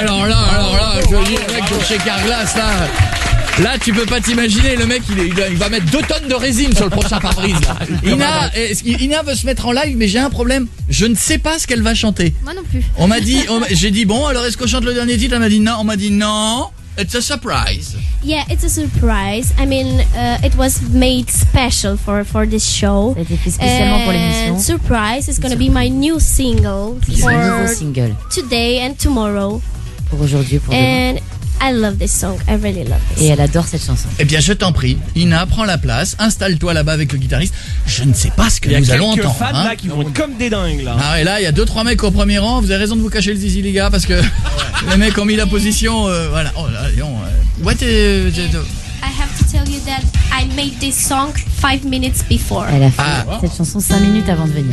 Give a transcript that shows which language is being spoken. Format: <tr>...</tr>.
<fr>Alors là, je dis le mec pour chez Carglass là. Là, tu peux pas t'imaginer, le mec, il va mettre 2 tonnes de résine sur le prochain pare-brise. Ina veut se mettre en live, mais j'ai un problème. Je ne sais pas ce qu'elle va chanter. Moi non plus. J'ai dit, bon, alors est-ce qu'on chante le dernier titre? On m'a dit non.</fr> <en>It's a surprise. Yeah, it's a surprise. I mean, it was made special for this show.</en> <fr>Spécialement pour l'émission.</fr> <en>And surprise, it's gonna be my new single.</en> <fr>For un nouveau single.</fr> <en>Today and tomorrow.</en> <fr>Pour aujourd'hui, pour demain.</fr> <en>I love this song, I really love this.</en> <fr>Et elle adore cette chanson. Eh bien, je t'en prie, Ina, prends la place, installe-toi là-bas avec le guitariste. Je ne sais pas ce que nous allons entendre. Il y a quelques fans là qui vont être comme des dingues là. Ah ouais, là, il y a 2-3 mecs au premier rang, vous avez raison de vous cacher le zizi, les gars, parce que les mecs ont mis la position. Voilà. Oh là, Lyon.</fr> <en>I have to tell you that I made this song 5 minutes before.</en> <fr>Elle a fait cette chanson 5 minutes avant de venir.</fr>